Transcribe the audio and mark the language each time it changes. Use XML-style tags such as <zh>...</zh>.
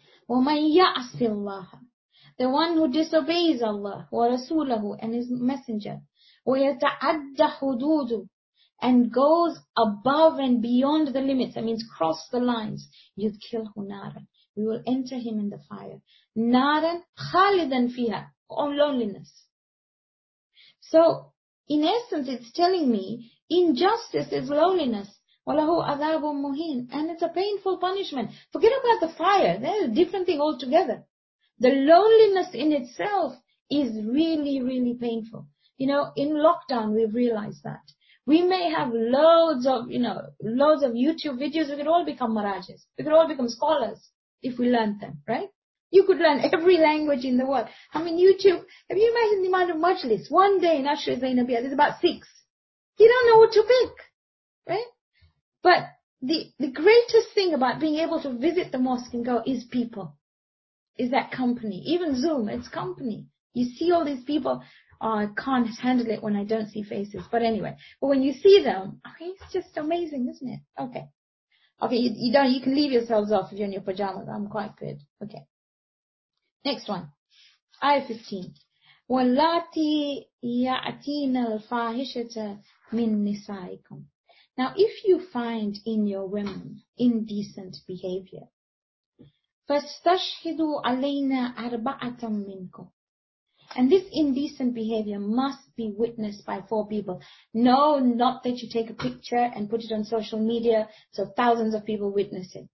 <ar>وَمَنْ يَعْصِ اللَّهَ</ar> <en>The one who disobeys Allah,</en> <ar>وَرَسُولَهُ</ar> <en>and His Messenger,</en> <ar>وَيَتَعَدَّ حُدُودُ</ar> <en>And goes above and beyond the limits. That means cross the lines.</en> <ar>يُدْكِلْهُ نَارًا</ar> <en>We will enter him in the fire.</en> <ar>نَارًا خَالِدًا فِيهَا</ar> <en>On loneliness. So, in essence, it's telling me, injustice is loneliness.</en> <ar>وَلَهُ عَذَابٌ مُهِينٌ</ar> <en>And it's a painful punishment. Forget about the fire. There's a different thing altogether. The loneliness in itself is really, really painful. You know, in lockdown, we've realized that. We may have loads of YouTube videos. We could all become marajis. We could all become scholars if we learned them, right? You could learn every language in the world. I mean, YouTube, have you imagined the amount of majlis? One day in Ashraf Zainabiyah, there's about six. You don't know what to pick, right? But the greatest thing about being able to visit the mosque and go is people, is that company. Even Zoom, it's company. You see all these people. Oh, I can't handle it when I don't see faces. But anyway, but when you see them, okay, it's just amazing, isn't it? Okay. Okay, you can leave yourselves off if you're in your pajamas. I'm quite good. Okay. Next one.</en> <ar>15 واللاتي يأتين الفاحشة من نسائكم.</ar> <en>Now, if you find in your women indecent behavior,</en> <ar>فاستشهدوا علينا أربعة منكم.</ar> <en>And this indecent behavior must be witnessed by four people. No, not that you take a picture and put it on social media so thousands of people witness it.</en>